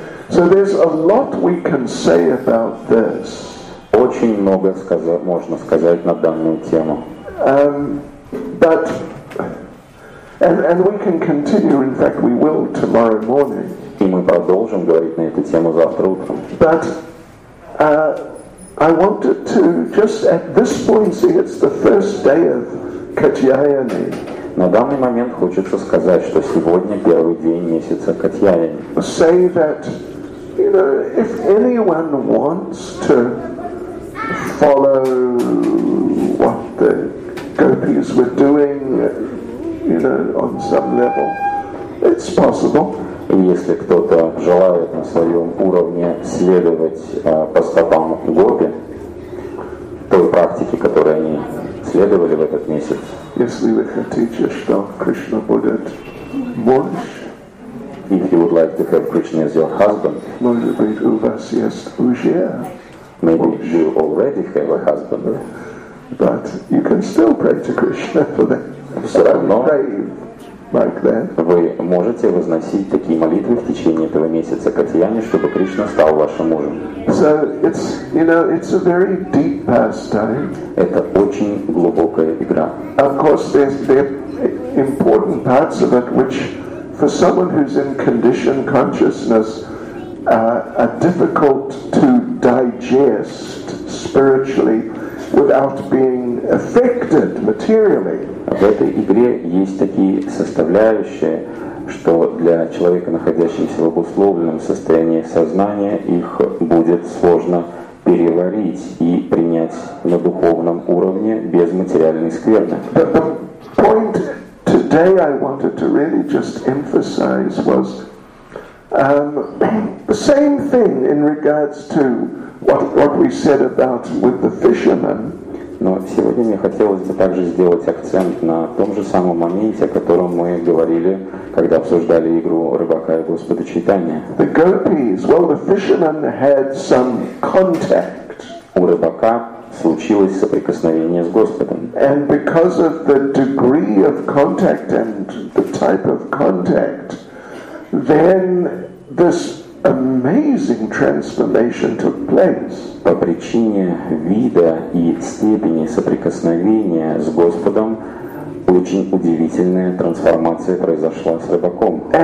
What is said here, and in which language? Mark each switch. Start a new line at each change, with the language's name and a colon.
English: So there's a lot we can say about this.
Russian: Очень много можно сказать на данную тему.
English: And we can continue, in fact we will tomorrow morning.
Russian: И мы продолжим говорить на эту тему завтра утром.
English: But I wanted to just at this point say it's the first day of Katyayani.
Russian: На данный момент хочется сказать, что сегодня первый день месяца Катьяяни.
English: Say that, you know, if anyone wants to follow what the gopis were doing, you know, on some level, it's possible.
Russian: И если кто-то желает на своем уровне следовать по стопам Гопи, той практике, которой они следовали в этот месяц. Если вы хотите, что Кришна будет муж,
English: if you would like to have Krishna as your husband,
Russian: может быть, у вас есть уже
English: maybe муж. You already have a husband, but you can still pray to Krishna for that.
Russian: Все равно
English: like that.
Russian: Вы можете возносить такие молитвы в течение этого месяца Катьяни, чтобы Кришна стал вашим мужем.
English: So it's, you know, it's a very deep pastime.
Russian: Это очень глубокая игра.
English: Of course, there are important parts of it which, for someone who's in conditioned consciousness, are difficult to digest spiritually without being affected materially.
Russian: В этой игре есть такие составляющие, что для человека, находящегося в обусловленном состоянии сознания, их будет сложно переварить и принять на духовном уровне без материальной скверны.
English: The point today I wanted to really just emphasize was the same thing in regards to what we said about with the fishermen.
Russian: Но сегодня мне хотелось бы также сделать акцент на том же самом моменте, о котором мы говорили, когда обсуждали игру рыбака и Господа Чайтанья.
English: The gopis, well, the fishermen had some contact.
Russian: У рыбака случилось соприкосновение с Господом.
English: And because of the degree of contact and the type of contact, then this amazing transformation took place.
Russian: По причине вида и степени соприкосновения с Господом очень удивительная трансформация произошла с рыбаком.